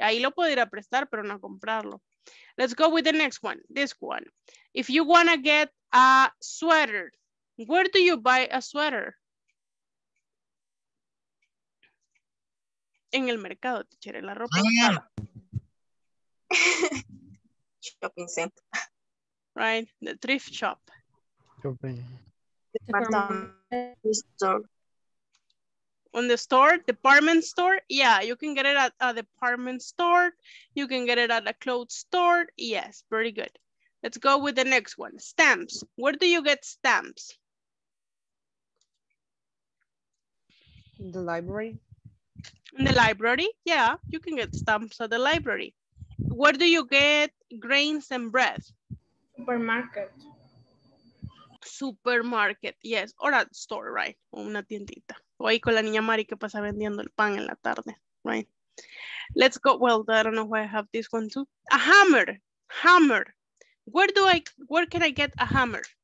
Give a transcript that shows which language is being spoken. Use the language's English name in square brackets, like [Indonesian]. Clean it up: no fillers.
[Spanish] Ahí lo puedo ir a prestar, pero no a comprarlo. [English] Let's go with the next one. This one. If you want to get a sweater, where do you buy a sweater? [Spanish] En el mercado, teacher, en la ropa. [English] Shopping center. Right, the thrift shop. Shopping. Department store. On the store, department store. Yeah, you can get it at a department store. You can get it at a clothes store. Yes, very good. Let's go with the next one. Stamps. Where do you get stamps? In the library. In the library? Yeah, you can get stamps at the library. Where do you get grains and bread? Supermarket. Supermarket, yes. Or at store, right? [Spanish] O una tiendita. O ahí con la niña Mari que pasa vendiendo el pan en la tarde, right? [English] Let's go. Well, I don't know why I have this one too. A hammer. Hammer. Where do I, where can I get a hammer?